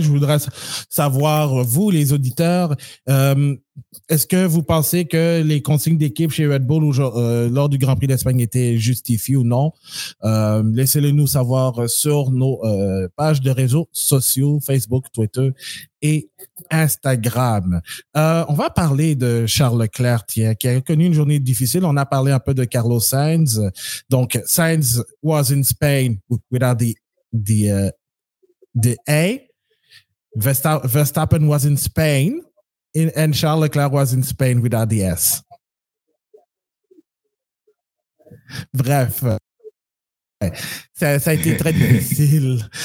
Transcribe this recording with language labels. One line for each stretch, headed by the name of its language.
French: Je voudrais savoir, vous, les auditeurs, est-ce que vous pensez que les consignes d'équipe chez Red Bull lors du Grand Prix d'Espagne étaient justifiées ou non? Laissez-le nous savoir sur nos pages de réseaux sociaux, Facebook, Twitter et Instagram. On va parler de Charles Leclerc, qui a connu une journée difficile. On a parlé un peu de Carlos Sainz.
English: Donc, Sainz was in Spain without the A. Verstappen was in Spain. And Charles Leclerc was in Spain without the S.
French: Bref, ça a été très difficile.